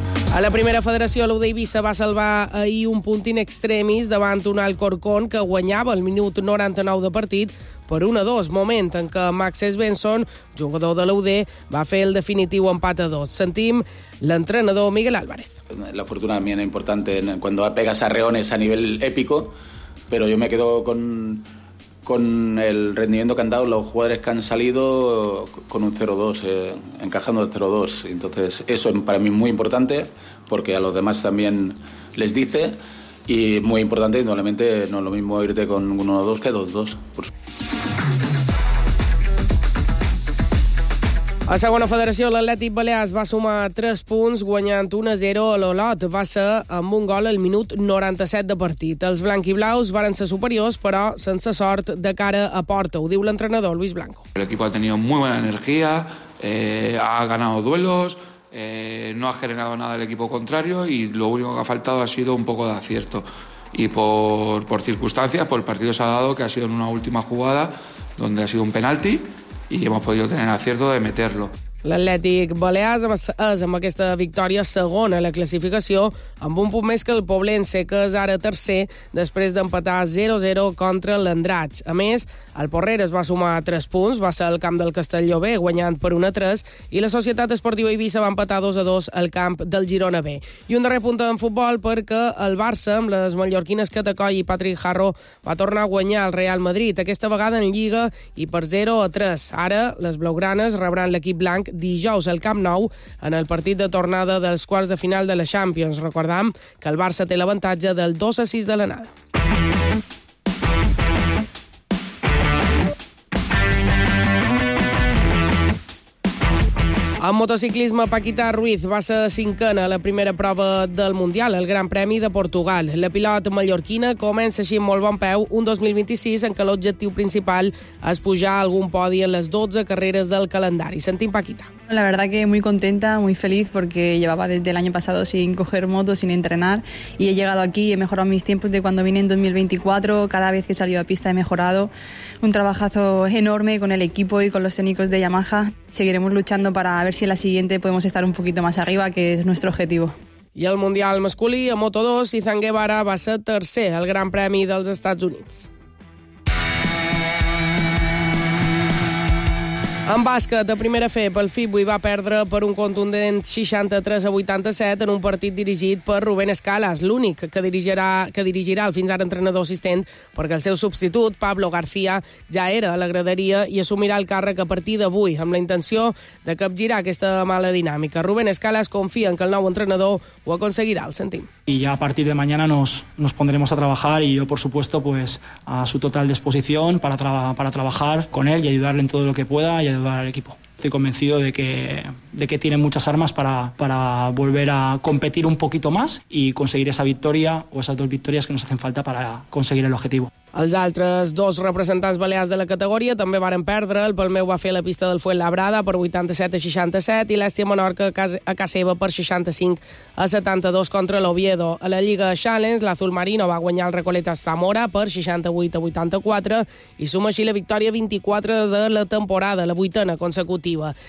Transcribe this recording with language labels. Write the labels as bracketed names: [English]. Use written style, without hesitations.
[Catalan] A la primera federació, l'UD Eivissa va salvar ahir un punt in extremis davant un Alcorcón que guanyava el minut 99 de partit per 1-2, moment en què Max Svensson, jugador de l'UD, va fer el definitiu empat a 2. Sentim l'entrenador Miguel Álvarez. [Spanish] La fortuna también es importante cuando pegas a reones a nivel épico, pero yo me quedo con el rendimiento que han dado los jugadores que han salido con un 0-2, encajando el 0-2. Entonces, eso para mí es muy importante, porque a los demás también les dice, y muy importante, indudablemente, no es lo mismo irte con 1-2 que 2-2. [Catalan] A segona federació, l'Atlètic Balears va sumar 3 punts guanyant 1-0 a l'Olot. Va ser amb un gol al minut 97 de partit. Els blanquiblaus varen ser superiors, però sense sort de cara a porta. Ho diu l'entrenador Luis Blanco. [Spanish] El equipo ha tenido muy buena energía, ha ganado duelos, no ha generado nada el equipo contrario y lo único que ha faltado ha sido un poco de acierto. Y por circunstancias, pues el partido se ha dado que ha sido en una última jugada donde ha sido un penalti [Catalan] i hem pogut tenir [Spanish] acierto de meterlo. [Catalan] L'Atlètic Balears és amb aquesta victòria segona a la classificació, amb un punt més que el Poblense, que és ara tercer, després d'empatar 0-0 contra l'Andratx. A més, el Porreres va sumar 3 punts, va ser al camp del Castelló B, guanyant per 1-3, i la Societat Esportiva Eivissa va empatar 2-2 al camp del Girona B. I un darrer punt en futbol, perquè el Barça, amb les mallorquines Catacoy i Patrick Jarro, va tornar a guanyar el Real Madrid, aquesta vegada en Lliga, i per 0-3. Ara, les blaugranes rebran l'equip blanc dijous al Camp Nou en el partit de tornada dels quarts de final de la Champions. Recordem que el Barça té l'avantatge del 2-6 de l'anada. En motociclisme, Paquita Ruiz va ser cinquena a la primera prova del Mundial, el Gran Premi de Portugal. La pilot mallorquina comença així amb molt bon peu un 2026 en què l'objectiu principal és pujar algun podi en les 12 carreres del calendari. Sentim Paquita. [Spanish] La verdad que muy contenta, muy feliz, porque llevaba desde el año pasado sin coger moto, sin entrenar, y he llegado aquí y he mejorado mis tiempos de cuando vine en 2024. Cada vez que he salido a pista he mejorado. Un trabajazo enorme con el equipo y con los técnicos de Yamaha. Seguiremos luchando para a ver si en la siguiente podemos estar un poquito más arriba, que es nuestro objetivo. [Catalan] I el Mundial masculí a Moto2, Izan Guevara va ser tercer al Gran Premi dels Estats Units. En bàsquet, de primera fe, pel Fibui va perdre per un contundent 63-87 en un partit dirigit per Rubén Escalas, l'únic que dirigirà el fins ara entrenador assistent, perquè el seu substitut, Pablo García, ja era a la graderia i assumirà el càrrec a partir d'avui, amb la intenció de capgirar aquesta mala dinàmica. Rubén Escalas confia en que el nou entrenador ho aconseguirà, el sentim. [Spanish] Y ya a partir de mañana nos pondremos a trabajar y yo, por supuesto, pues a su total disposición para trabajar con él y ayudarle en todo lo que pueda y ayudar al equipo. Estoy convencido de que tiene muchas armas para volver a competir un poquito más y conseguir esa victoria o esas dos victorias que nos hacen falta para conseguir el objetivo. [Catalan] Els altres dos representants balears de la categoria també varen perdre. El Palmeu va fer la pista del Fuenlabrada per 87-67 i l'Èstia Menorca a casa seva per 65-72 contra l'Oviedo. A la Lliga de Challenge, l'Azul Marino va guanyar el Recoleta Zamora per 68-84 i suma així la victòria 24 de la temporada, la vuitena consecutiva.